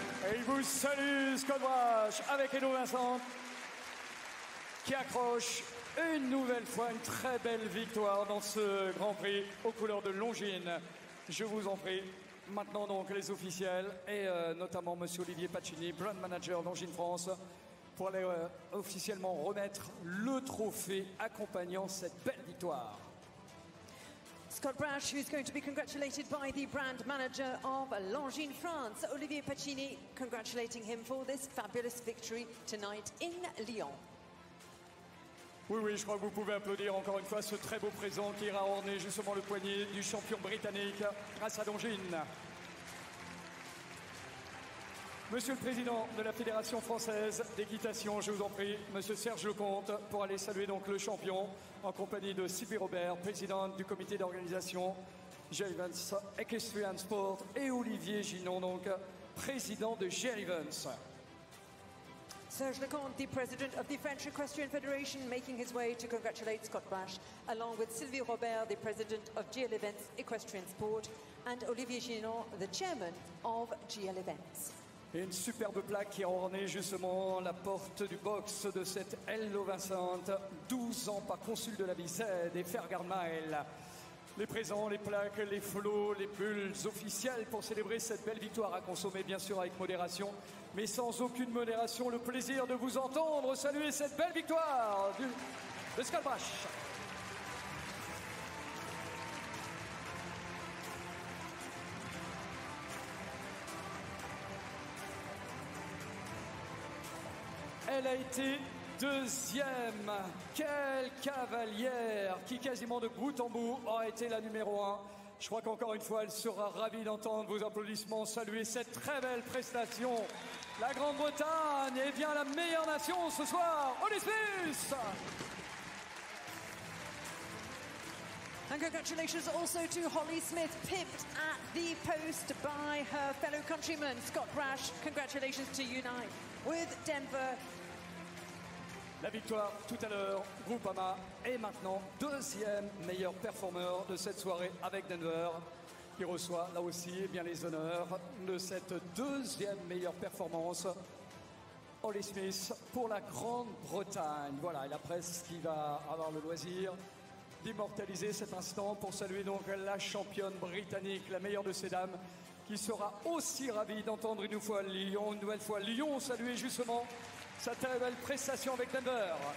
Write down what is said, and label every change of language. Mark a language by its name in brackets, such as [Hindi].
[French] Et vous salue Scott Brash avec Edo Vincent qui accroche une nouvelle fois une très belle victoire dans ce Grand Prix aux couleurs de Longines. Je vous en prie. Maintenant donc les officiels et notamment Monsieur Olivier Pacini, brand manager Longines France, pour aller officiellement remettre le trophée accompagnant cette belle victoire. [English] Scott Brash, who is going to be congratulated by the brand manager of Longines France, Olivier Pacini, congratulating him for this fabulous victory tonight in Lyon. [French] Oui, oui, je crois que vous pouvez applaudir encore une fois ce très beau présent qui ira orner justement le poignet du champion britannique grâce à Longines. Monsieur le président de la Fédération française d'équitation, je vous en prie, monsieur Serge Lecomte, pour aller saluer donc le champion en compagnie de Sylvie Robert, présidente du comité d'organisation GL Events Equestrian Sport, et Olivier Ginon, donc président de GL Events. [English] Serge Lecomte, the president of the French Equestrian Federation, making his way to congratulate Scott Brash, along with Sylvie Robert, the president of GL Events Equestrian Sport, and Olivier Ginon, the chairman of GL Events. [French] Et une superbe plaque qui a orné justement la porte du box de cette Hello Vincent, 12 ans par consul de la Bicède et Fergard Mael. Les présents, les plaques, les flots, les pulls officiels pour célébrer cette belle victoire à consommer bien sûr avec modération, mais sans aucune modération, le plaisir de vous entendre saluer cette belle victoire de Scalbrash. Elle a été deuxième. Quelle cavalière qui, quasiment de bout en bout, a été la numéro un. Je crois qu'encore une fois, elle sera ravie d'entendre vos applaudissements, saluer cette très belle prestation. La Grande-Bretagne est bien la meilleure nation ce soir. Olympus! [English] And congratulations also to Holly Smith, pipped at the post by her fellow countryman, Scott Brash. Congratulations to unite with Denver. [French] La victoire tout à l'heure, Groupama est maintenant deuxième meilleur performeur de cette soirée avec Denver, qui reçoit là aussi eh bien, les honneurs de cette deuxième meilleure performance. Holly Smith pour la Grande-Bretagne. Voilà, et la presse qui va avoir le loisir d'immortaliser cet instant pour saluer donc la championne britannique, la meilleure de ces dames, qui sera aussi ravie d'entendre une fois Lyon, une nouvelle fois Lyon saluer justement sa très belle prestation avec Denver.